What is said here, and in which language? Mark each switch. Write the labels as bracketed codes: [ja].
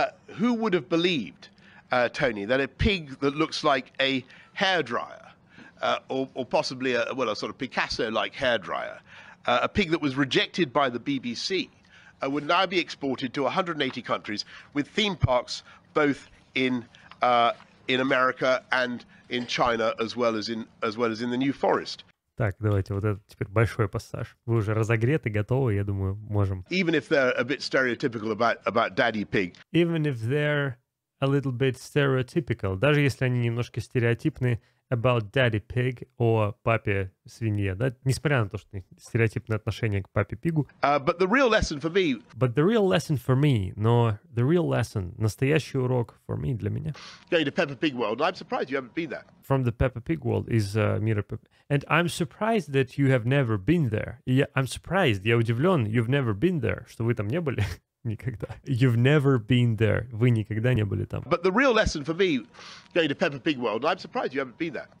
[en] Who would have believed, Tony, that a pig that looks like a hairdryer, or possibly a sort of Picasso-like hairdryer, a pig that was rejected by the BBC, would now be exported to 180 countries with theme parks both in America and in China as well as in the New Forest. [ru] Так, давайте вот это теперь большой пассаж. Вы уже разогреты, готовы, я думаю, можем. [en] Even if they're a bit stereotypical about Daddy Pig. Even if they're a little bit stereotypical. [ru] Даже если они немножко стереотипны [en] about Daddy Pig, [ru] о папе свинье, да, несмотря на то, что стереотипное отношение к папе Пигу. [en] But the real lesson, [ru] настоящий урок [en] for me, [ru] для меня. [en] Going to Peppa Pig World, I'm surprised you haven't been there. From the Peppa Pig World is [ru] мира Пеппа. [en] And I'm surprised that you have never been there. I'm surprised, [ru] я удивлен, [en] you've never been there, [ru] что вы там не были. Никогда. [en] You've never been there. [ru] Вы никогда не были там. [en] But the real lesson for me, going to Peppa Pig World, I'm surprised you haven't been there.